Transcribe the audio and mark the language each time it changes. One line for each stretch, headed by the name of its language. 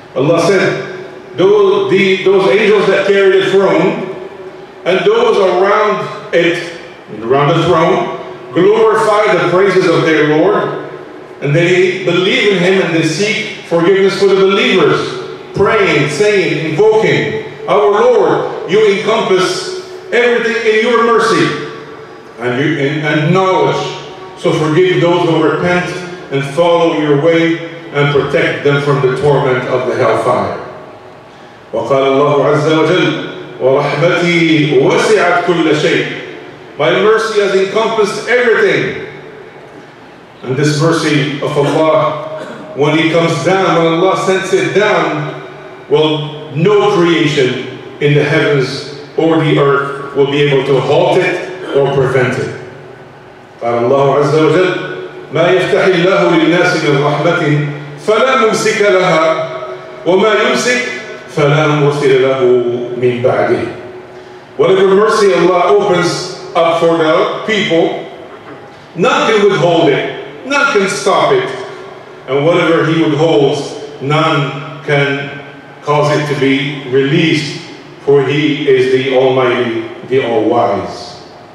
English: Allah said, those angels that carry the throne and those around it, around the throne, glorify the praises of their Lord, and they believe in him and they seek forgiveness for the believers, praying, saying, invoking, "Our Lord, you encompass everything in your mercy and knowledge. So forgive those who repent and follow your way and protect them from the torment of the hellfire."
Arabic: وقال الله عز وجل ورحمتي وسعت كل شيء.
English: My mercy has encompassed everything. And this mercy of Allah, when it comes down, when Allah sends it down, well, no creation in the heavens or the earth will be able to halt it or prevent it.
Arabic: قال الله عز وجل ما يفتح الله للناس من رحمة فلا ممسك لها وما يمسك فلا مرسل له من بعده.
English: Whatever mercy Allah opens up for the people, none can withhold it, none can stop it. And whatever he withholds, none can cause it to be released, for he is the Almighty, the All-Wise.